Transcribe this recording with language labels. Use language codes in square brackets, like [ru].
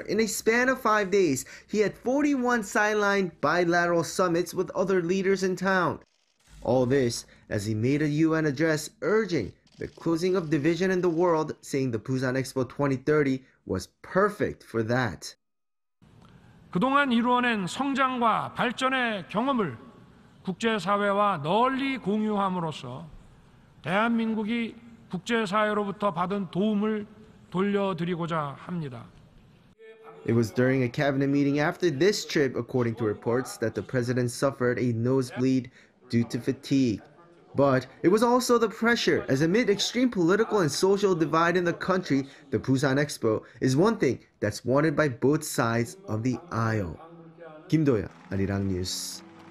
[en] In a span of 5 days, he had 41 sideline bilateral summits with other leaders in town. All this as he made a UN address urging the closing of division in the world, saying the Busan Expo 2030 was perfect for that. [ko] 그동안 이루어낸 성장과 발전의 경험을 국제사회와 널리 공유함으로써 대한민국이 국제사회로부터 받은 도움을 돌려드리고자 합니다. [en] It was during a cabinet meeting after this trip, according to reports, that the president suffered a nosebleed due to fatigue. But it was also the pressure, as amid extreme political and social divide in the country, the Busan Expo is one thing that's wanted by both sides of the aisle. Kim Do-yeon, Arirang News.